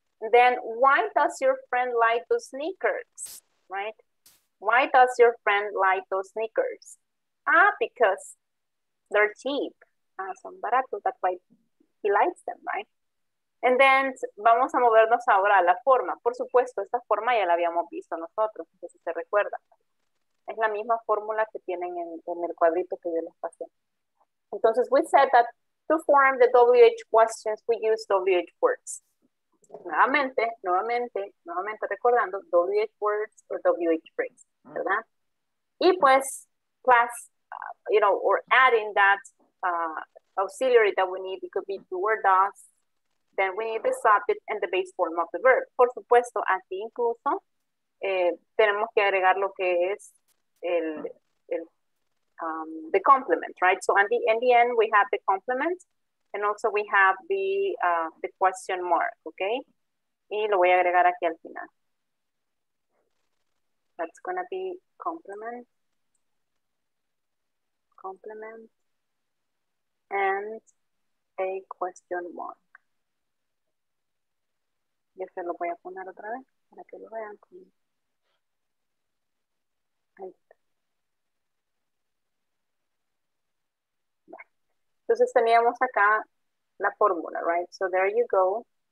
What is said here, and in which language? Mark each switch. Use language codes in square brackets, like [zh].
[en] Then, why does your friend like those sneakers, right? Why does your friend like those sneakers? Ah, because they're cheap. [es] Ah, son baratos, [en] that's why he likes them, right? [es] And then, vamos a movernos ahora a la forma. Por supuesto, esta forma ya la habíamos visto nosotros, no sé si se recuerda. Es la misma fórmula que tienen en el cuadrito que yo les pasé. [en] Entonces, we said that to form the WH questions, we use WH words. [es] Nuevamente recordando, [en] WH words or WH phrase, ¿verdad? Y pues, plus, you know, or adding that auxiliary that we need, it could be do or does, then we need the subject and the base form of the verb. [es] Por supuesto, aquí incluso tenemos que agregar lo que es the complement, right? [en] So in the end, we have the complement, and also we have the question mark, okay? [es] Y lo voy a agregar aquí al final. [en] That's gonna be complement, and a question mark. [es] Y este lo voy a poner otra vez para que lo vean. Ahí está. Entonces teníamos acá la fórmula, right? [en] So there you go.